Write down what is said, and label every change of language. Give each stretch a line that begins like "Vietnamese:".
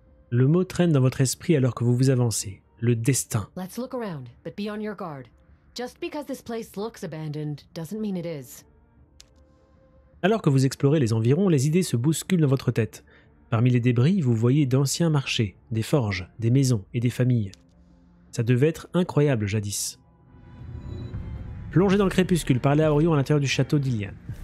French: Le mot traîne dans votre esprit alors que vous vous avancez. Le destin.
English: Let's look around, but be on your guard. Just because this place looks abandoned doesn't mean it is.
French: Alors que vous explorez les environs, les idées se bousculent dans votre tête. Parmi les débris, vous voyez d'anciens marchés, des forges, des maisons et des familles. Ça devait être incroyable jadis. Plongez dans le crépuscule, parlez à Orion à l'intérieur du château d'Ilian.